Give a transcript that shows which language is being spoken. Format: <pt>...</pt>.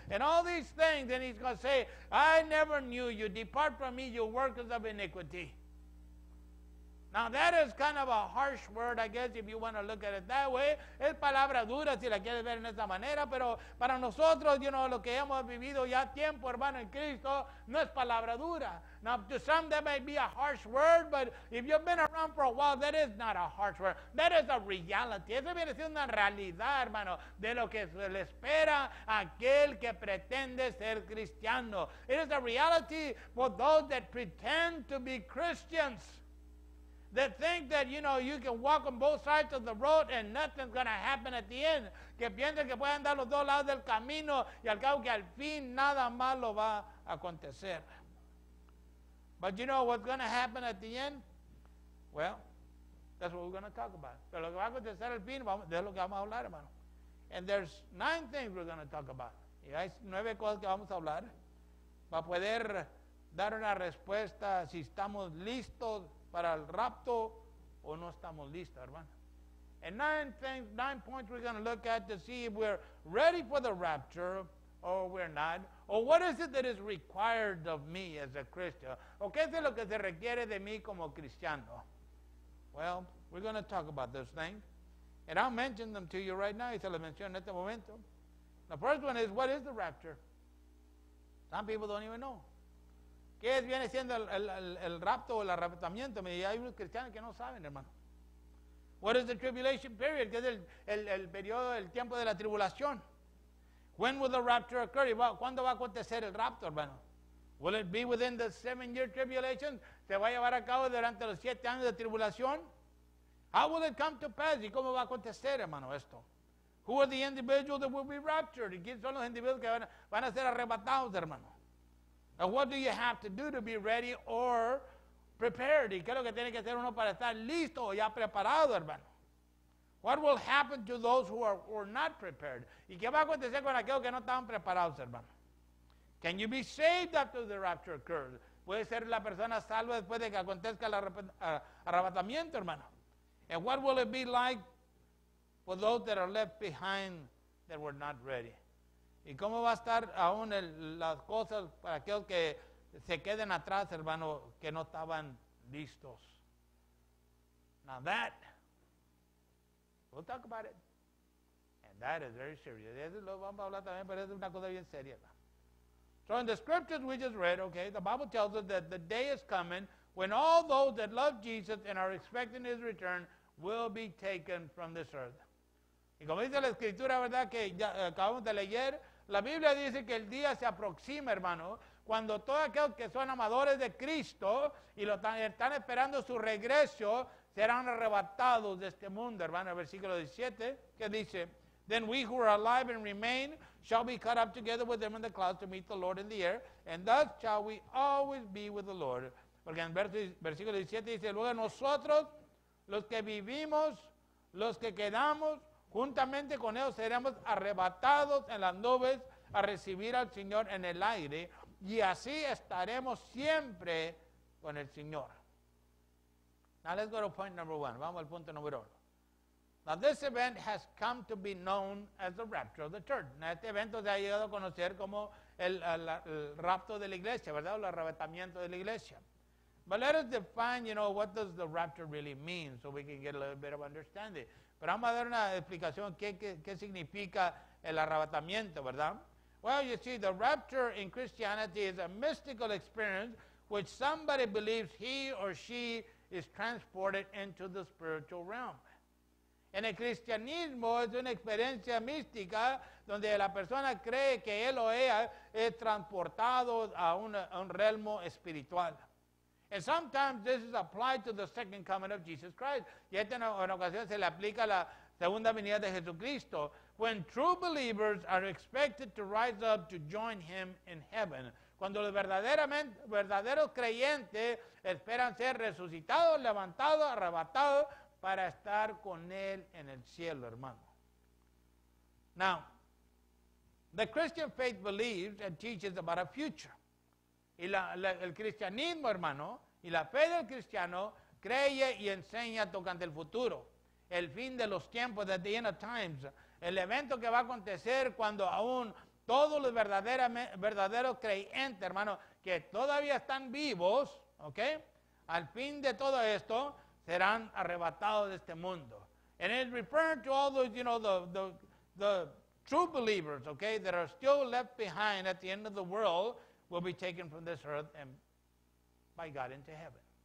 <en>And all these things. And he's going to say, I never knew you. Depart from me, you workers of iniquity. Now, that is kind of a harsh word, I guess, if you want to look at it that way.</en> <es>Es palabra dura, si la quieres ver en esa manera. Pero para nosotros,</es> <en>you know,</en> <es>lo que hemos vivido ya tiempo, hermano, en Cristo, no es palabra dura.</es> <en>Now, to some, that might be a harsh word, but if you've been around for a while, that is not a harsh word. That is a reality.</en> <es>Eso viene siendo una realidad, hermano, de lo que se le espera a aquel que pretende ser cristiano.</es> <en>It is a reality for those that pretend to be Christians. That think that, you know, you can walk on both sides of the road and nothing's going to happen at the end.</en> <es>Que piensen que pueden dar los dos lados del camino y al cabo que al fin nada malo va a acontecer.</es> <en>But you know what's going to happen at the end? Well, that's what we're going to talk about.</en> <es>Pero lo que va a acontecer al fin, de lo que vamos a hablar, hermano.</es> <en>And there's 9 things we're going to talk about.</en> <es>Y hay 9 cosas que vamos a hablar para poder dar una respuesta si estamos listos para el rapto o no estamos listos, hermano.</es> <en>And 9 points we're going to look at to see if we're ready for the rapture or we're not. Or what is it that is required of me as a Christian?</en> <es>¿O qué es lo que se requiere de mí como cristiano?</es> <en>Well, we're going to talk about those things. And I'll mention them to you right now.</en> <es>Y se los menciono en este momento.</es> <en>The first one is, what is the rapture? Some people don't even know.</en> <es>¿Qué viene siendo el rapto o el arrebatamiento? Hay unos cristianos que no saben, hermano.</es> <en>What is the tribulation period?</en> <es>¿Qué es el periodo, el tiempo de la tribulación?</es> <en>When will the rapture occur?</en> <es>¿Cuándo va a acontecer el rapto, hermano?</es> <en>Will it be within the 7-year tribulation?</en> <es>¿Se va a llevar a cabo durante los 7 años de tribulación?</es> <en>How will it come to pass?</en> <es>¿Y cómo va a acontecer, hermano, esto?</es> <en>Who are the individuals that will be raptured?</en> <es>¿Quiénes son los individuos que van a ser arrebatados, hermano?</es> <en>Now, what do you have to do to be ready or prepared?</en> <es>¿Y qué es lo que tiene que hacer uno para estar listo o ya preparado, hermano?</es> <en>What will happen to those who are not prepared?</en> <es>¿Y qué va a acontecer con aquellos que no estaban preparados, hermano?</es> <en>Can you be saved after the rapture occurs?</en> <es>¿Puede ser la persona salva después de que acontezca el arrebatamiento, hermano?</es> <en>And what will it be like for those that are left behind that were not ready?</en> <es>¿Y cómo va a estar aún las cosas para aquellos que se queden atrás, hermano, que no estaban listos?</es> <en>Now that, we'll talk about it. And that is very serious.</en> <es>Eso lo vamos a hablar también, pero es una cosa bien seria.</es> <en>So in the scriptures we just read, okay, the Bible tells us that the day is coming when all those that love Jesus and are expecting his return will be taken from this earth.</en> <es>Y como dice la escritura, ¿verdad?, que ya acabamos de leer, la Biblia dice que el día se aproxima, hermano, cuando todos aquellos que son amadores de Cristo y están esperando su regreso serán arrebatados de este mundo, hermano. Versículo 17, que dice,</es> <en>then we who are alive and remain shall be caught up together with them in the clouds to meet the Lord in the air, and thus shall we always be with the Lord.</en> <es>Porque en versículo 17 dice, luego nosotros, los que vivimos, los que quedamos, juntamente con ellos seremos arrebatados en las nubes a recibir al Señor en el aire, y así estaremos siempre con el Señor.</es> <en>Now let's go to point number one.</en> <es>Vamos al punto número uno.</es> <en>Now this event has come to be known as the rapture of the church.</en> <es>Now, este evento se ha llegado a conocer como el rapto de la iglesia, ¿verdad? El arrebatamiento de la iglesia.</es> <en>But let us define, you know, what does the rapture really mean so we can get a little bit of understanding.</en> <es>Pero vamos a dar una explicación qué significa el arrebatamiento, ¿verdad?</es> <en>Well, you see, the rapture in Christianity is a mystical experience which somebody believes he or she is transported into the spiritual realm.</en> <es>En el cristianismo es una experiencia mística donde la persona cree que él o ella es transportado a un reino espiritual.</es> <en>And sometimes this is applied to the second coming of Jesus Christ.</en> <es>Y esta en ocasión se le aplica la segunda venida de Jesucristo.</es> <en>When true believers are expected to rise up to join him in heaven.</en> <es>Cuando los verdaderos creyentes esperan ser resucitados, levantados, arrebatados para estar con él en el cielo, hermano. Now,</es> <en>The Christian faith believes and teaches about a future.</en> <es>Y el cristianismo, hermano, y la fe del cristiano cree y enseña tocante el futuro, el fin de los tiempos,</es> <en>the end of times,</en> <es>el evento que va a acontecer cuando aún todos los verdaderos creyentes, hermano, que todavía están vivos, ¿ok? Al fin de todo esto, serán arrebatados de este mundo.</es> <en>And it's referring to all those, you know, the true believers, okay, that are still left behind at the end of the world will be taken from this earth and by God into heaven.</en>